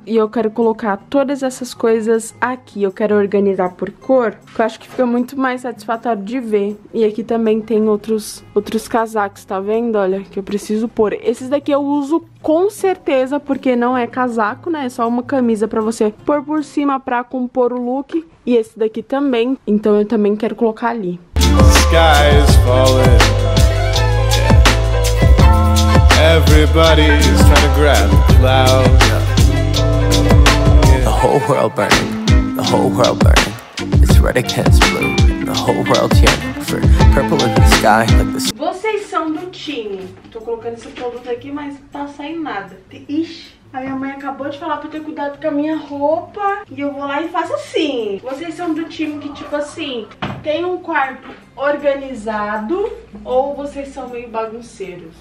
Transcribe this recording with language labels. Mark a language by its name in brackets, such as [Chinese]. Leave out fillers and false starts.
[Portuguese] E eu quero colocar todas essas coisas aqui. Eu quero organizar por cor, que eu acho que fica muito mais satisfatório de ver. E aqui também tem outros casacos, tá vendo? Olha, que eu preciso supor, esses daqui eu uso com certeza, porque não é casaco, né? É só uma camisa pra você pôr por cima pra compor o look. E esse daqui também, então eu também quero colocar ali. [English] Sky is falling. Everybody's trying to grab clouds. The whole world burning, the whole world burning. It's red against blue, the whole world's yearning for purple in the sky like this. [Portuguese] Vocês são do time. Tô colocando esse produto aqui, mas tá saindo nada. Ixi, a minha mãe acabou de falar pra eu ter cuidado com a minha roupa. E eu vou lá e faço assim. Vocês são do time que, tipo assim, tem um quarto organizado ou vocês são meio bagunceiros?